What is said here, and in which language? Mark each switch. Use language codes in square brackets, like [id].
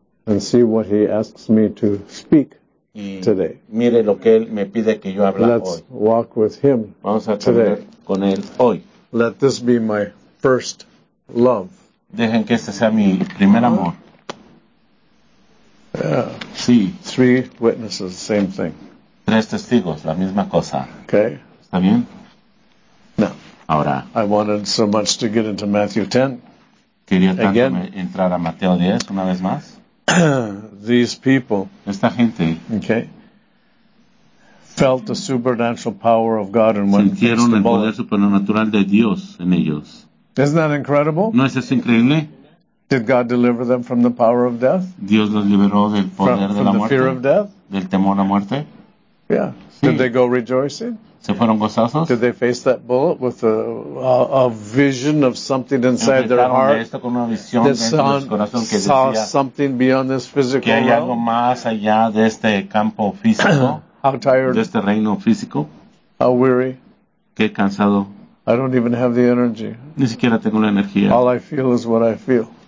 [en] And see what he asks me to speak today. [es] Mire lo que él me pide que yo hable hoy. [en] Let's walk with him. [es] Vamos a tener con él hoy. [en] Let this be my first love. [es] Dejen que este sea mi primer amor. [en] Yeah. [es] Sí. [en] Three witnesses, same thing. [es] Tres testigos, la misma cosa. [en] Okay. [es] ¿Está bien? [en] No. [es] Ahora. [en] I wanted so much to get into Matthew 10. [es] Quería tanto [en] again [es] entrar a Mateo 10 una vez más. [en] These people. [es] Esta gente. [en] Okay. Felt the supernatural power of God and went against the bullet. [es] Sintieron el poder supernatural de Dios en ellos. [en] Isn't that incredible? [es] ¿No es eso increíble? [en] Did God deliver them from the power of death? [es] Dios los liberó del poder [en] from, [es] de la muerte. [en] The fear of death? [es] Del temor a muerte. [en] Yeah. [es] Sí. [en] Did they go rejoicing? [es] ¿Se fueron gozosos? [en] Did they face that bullet with a vision of something inside their heart? [es] De esto con una visión dentro de su corazón que [en] saw [es] decía [en] something beyond this physical [es] que hay [en] realm? [es] Algo más allá de este campo físico. [en] How tired? [es] De este reino físico. [en] How weary? [es] Qué cansado. [en] I don't even have the energy. [es] Ni siquiera tengo la energía. [en] All I feel is what I feel.